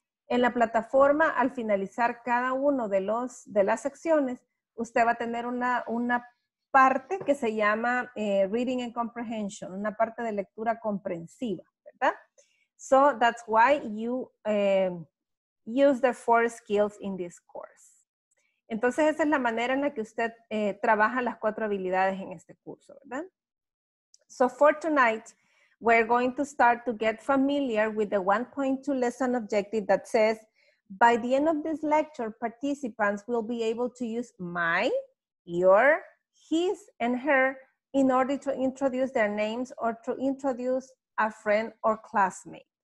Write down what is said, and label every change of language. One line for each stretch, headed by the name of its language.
Spanish: En la plataforma, al finalizar cada uno de las secciones, usted va a tener una parte que se llama
English: reading and comprehension,
Spanish: una parte de lectura comprensiva, ¿verdad?
English: So that's why you use the 4 skills in this course.
Spanish: Entonces esa es la manera en la que usted trabaja las 4 habilidades en este curso, ¿verdad?
English: So for tonight, we're going to start to get familiar with the 1.2 lesson objective that says, by the end of this lecture, participants will be able to use my, your, his, and her in order to introduce their names or to introduce a friend or classmate.